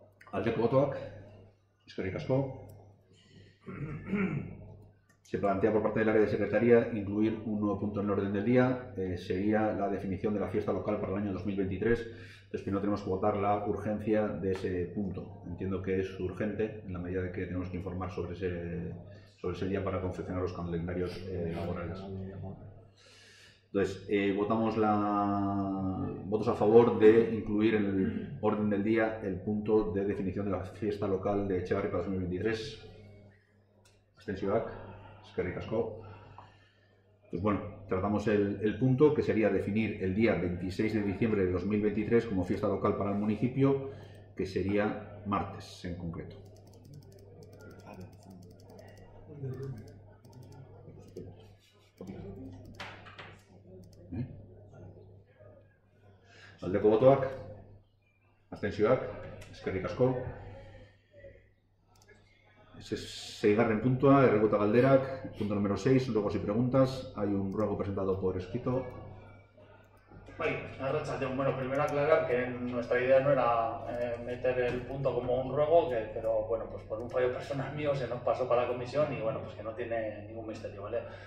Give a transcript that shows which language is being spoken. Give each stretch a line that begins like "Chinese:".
Basque: Aldeko botoak, eskerrik asko.
Spanish: Se plantea por parte del área de secretaría incluir un nuevo punto en el orden del día. Sería la definición de la fiesta local para el año 2023. Entonces, primero tenemos que votar la urgencia de ese punto. Entiendo que es urgente en la medida de que tenemos que informar sobre ese día para confeccionar los calendarios laborales. Entonces, votos a favor de incluir en el orden del día el punto de definición de la fiesta local de Etxebarri para 2023.
Basque: Abstentzioak. Eskerrik asko.
Spanish: Pues bueno, tratamos el punto, que sería definir el día 26 de diciembre de 2023 como fiesta local para el municipio, que sería martes en concreto.
Basque: Aldeko botoak, abstentzioak, eskerrik asko. Seigarren puntua, erregota galderak,
Spanish: punto número 6, luego si preguntas, hay un ruego presentado por escrito.
Basque: Bai, arratsaldeon.
Spanish: Bueno, primero aclarar que nuestra idea no era meter el punto como un ruego, pero bueno, pues por un fallo personal mío se nos pasó para la comisión y bueno, pues que no tiene ningún misterio, ¿vale?